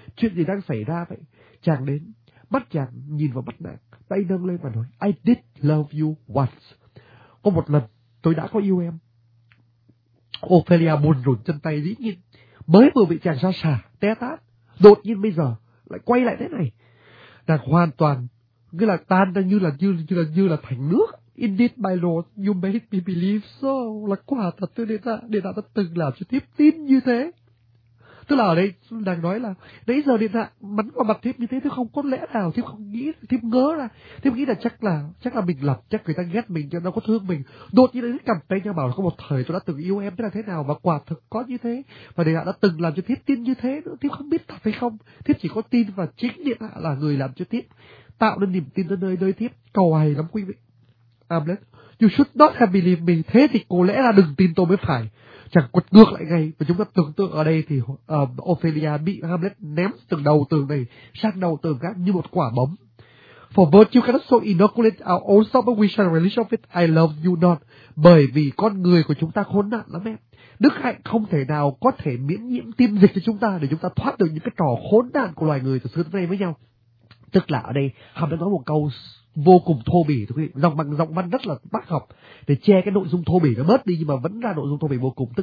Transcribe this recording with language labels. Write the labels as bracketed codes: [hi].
[vi] Chuyện gì đang xảy ra vậy? Chàng đến, bắt chàng nhìn vào mắt nàng, tay nâng lên và nói, [en] I did love you once. [vi] Có một lần, tôi đã có yêu em. Ophelia buồn rụt chân tay dĩ nhiên, mới vừa bị chàng xa xà, té tát, đột nhiên bây giờ, lại quay lại thế này. Nàng hoàn toàn, cứ là tan ra như là thành nước. [en] Indeed, my lord, you made me believe so. [vi] Là quả thật tôi đệ hạ đã từng làm cho thiếp tin như thế. Tức là ở đây đang nói là nãy giờ đệ hạ mắn qua mặt thiếp như thế, thì không có lẽ nào thiếp không nghĩ, thiếp ngớ ra, thiếp nghĩ là chắc là mình lập, chắc người ta ghét mình, chắc đâu có thương mình. Đột nhiên đến cầm tay nhau bảo là có một thời tôi đã từng yêu em, thế là thế nào, mà quả thực có như thế, và đệ hạ đã từng làm cho thiếp tin như thế nữa. Thiếp không biết thật hay không, thiếp chỉ có tin và chính đệ hạ là người làm cho thiếp tạo nên niềm tin tới nơi thiếp. Cầu hay lắm quý vị. [en] Amlet, you should not have believed me. [vi] Thế thì có lẽ là đừng tin tôi mới phải. Chàng quật ngược lại ngay. Và chúng ta tưởng tượng ở đây thì Ophelia bị Hamlet ném từ đầu tường này sang đầu tường khác như một quả bóng. [en] For virtue cannot so inoculate our own self, but we shall release of it. I love you not. [vi] Bởi vì con người của chúng ta khốn nạn lắm em. Đức hạnh không thể nào có thể miễn nhiễm tiêm dịch cho chúng ta để chúng ta thoát được những cái trò khốn nạn của loài người từ xưa tới nay với nhau. Tức là ở đây Hamlet nói một câu vô cùng thô bỉ, giọng văn rất là bác học để che cái nội dung thô bỉ nó bớt đi, nhưng mà vẫn ra nội dung thô bỉ vô cùng.